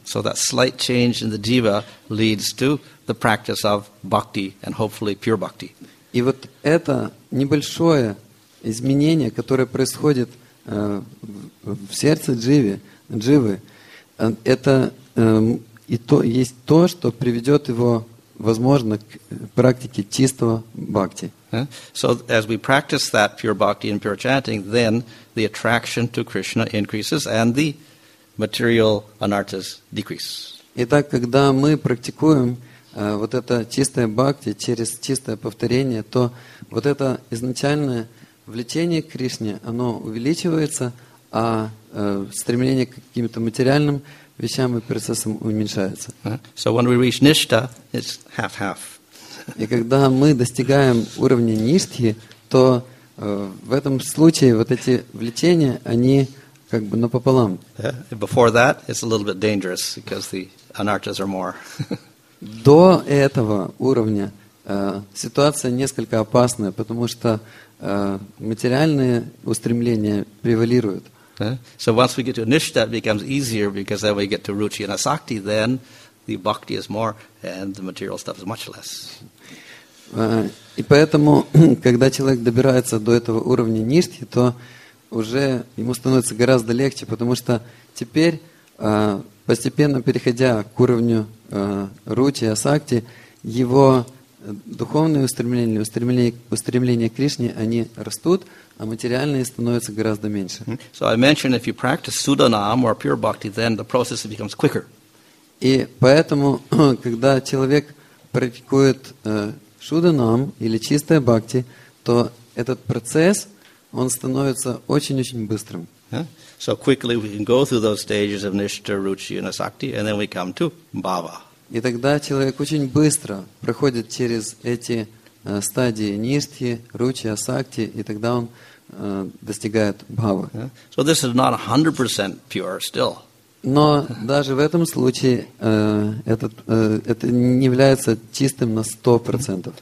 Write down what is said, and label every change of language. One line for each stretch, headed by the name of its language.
English: So that slight change in the jiva leads to the practice of bhakti and hopefully pure bhakti.
Russian: И вот это небольшое изменение, которое происходит в сердце дживы, это и то, есть то, что приведет его, возможно, к практике чистого бхакти.
English: So as we practice that pure bhakti and pure chanting, then the attraction to Krishna increases and the material anarthas decrease.
Russian: Итак, когда мы практикуем вот это чистое бхакти через чистое повторение, то вот это изначальное влечение к Кришне, оно увеличивается, а стремление к каким-то материальным вещам и процессам уменьшается.
English: So when we reach nishtha, it's half-half.
Russian: И когда мы достигаем уровня ништхи, то в этом случае вот эти влечения, они как бы напополам.
English: Yeah. Before that, it's a little bit dangerous, because the anarthas are more.
Russian: До этого уровня ситуация несколько опасная, потому что материальные устремления превалируют.
English: So once we get to nishtha, it becomes easier, because then we get to ruchi and asakti, then the bhakti is more and the material stuff is much less.
Russian: И поэтому, когда человек добирается до этого уровня ништхи, то уже ему становится гораздо легче, потому что теперь, постепенно переходя к уровню ручи, асакти, его духовные устремления, устремления к Кришне, они растут, а материальные становятся гораздо меньше.
English: So I mentioned if you practice sudhanam or pure bhakti, then the process becomes quicker.
Russian: И поэтому, когда человек практикует шуданам или чистая бхакти, то этот процесс, он становится очень-очень быстрым.
English: Yeah. So quickly we can go through those stages of nishtha, ruchi and asakti, and then we come to bhava.
Russian: И тогда человек очень быстро проходит через эти стадии ништхи, ручи, асакти, и тогда он достигает бхавы.
English: Yeah. So this is not 100% pure still.
Russian: Но даже в этом случае это не является чистым на 100%.